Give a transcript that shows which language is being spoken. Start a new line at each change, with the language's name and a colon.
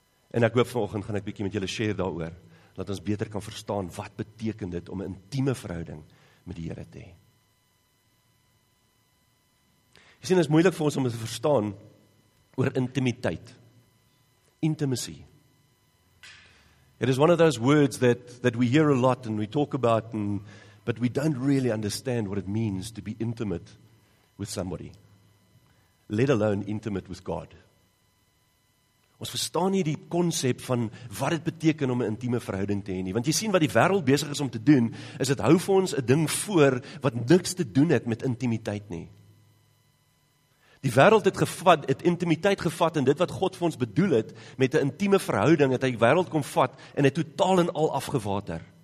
Afrikaans: En ek hoop vanoggend gaan ek bietjie met julle share daaroor, dat ons beter kan verstaan wat beteken dit om 'n intieme verhouding met die Here te hê. Jy sien, is moeilik vir ons om te verstaan oor intimiteit.
English: Intimacy. It is one of those words that we hear a lot and we talk about, but we don't really understand what it means to be intimate with somebody. Let alone intimate with God.
Afrikaans: Ons verstaan nie die konsep van wat dit beteken om 'n intieme verhouding te hê nie. Want jy sien wat die wêreld besig is om te doen, is dit hou vir ons 'n ding voor wat niks te doen het met intimiteit nie. Die wêreld het intimiteit gevat en dit wat God vir ons bedoel het met 'n intieme verhouding het hy die wêreld kom vat en het totaal en al afgewater.